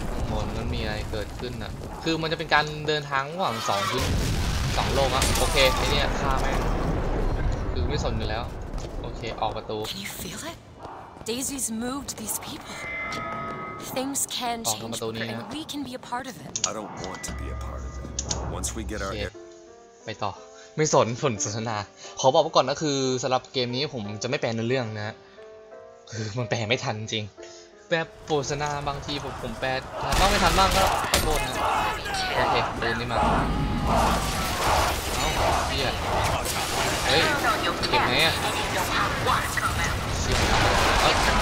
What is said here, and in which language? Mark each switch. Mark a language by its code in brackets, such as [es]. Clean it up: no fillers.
[th] มนมันมีอะไรเกิดขึ้นน่ะคือมันจะเป็นการเดินทางระหว่าง2พื้น2โลกอ่ะโอเคไอ้เนี่ยฆ่าแม่งคือไม่สนอยู่แล้วโอเคออกประตู [en] Can you feel it? Daisy's moved these people. Things can change. And we can be a part of it. I don't want to be a part of it. Once we get our air [th] ไปต่อไม่สนผลสนทนาขอบอกไว้ก่อนนะคือสำหรับเกมนี้ผมจะไม่แปลเนื้อเรื่องนะคือมันแปลไม่ทันจริง แบบโฆษณาบางทีผมแปดต้องไม่ทันบ้างก็ขอโทษนะโอเคปืนนี่มาเอ้าเบียดเฮ้ยเก็บไงอ่ะเสียบเฮ้ย